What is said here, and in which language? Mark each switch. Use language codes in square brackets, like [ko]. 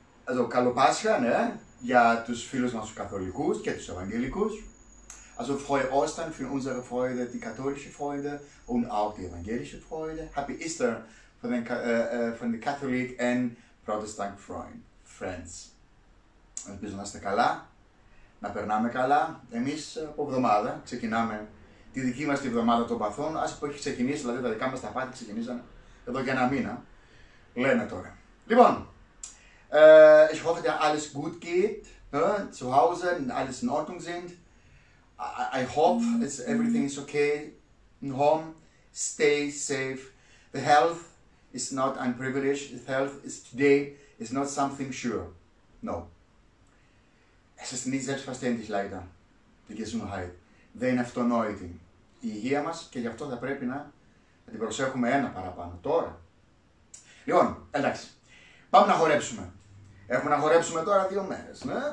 [el] Εδώ καλό Πάσχα, ναι, για τους φίλους μας τους καθολικούς και τους ευαγγελικούς. [de] Also frohe Ostern für unsere Freunde, die katholische Freunde und auch die evangelische Freunde. [en] Happy Easter [de] von den [en] Catholic and Protestant friends. [el] Ελπίζω να είστε καλά, να περνάμε καλά. Εμείς από εβδομάδα ξεκινάμε τη δική μας τη εβδομάδα των παθών, ας που έχει ξεκινήσει, δηλαδή τα δικά μας τα πάθη ξεκινήσαν εδώ και ένα μήνα, λένε τώρα. Λοιπόν, [de] ich hoffe, dass alles gut geht, zu Hause, alles in Ordnung sind. [en] I hope everything is okay in home. Stay safe. The health is not a privilege. The health is today is not something sure. [de] No. Es ist nicht selbstverständlich leider, die Gesundheit. [el] Δεν είναι αυτονόητη η υγεία μας και γι' αυτό θα πρέπει να την προσέχουμε ένα παραπάνω τώρα. Λοιπόν, εντάξει. Πάμε να χορέψουμε. Έχουμε να χορέψουμε τώρα δύο μέρες, ναι.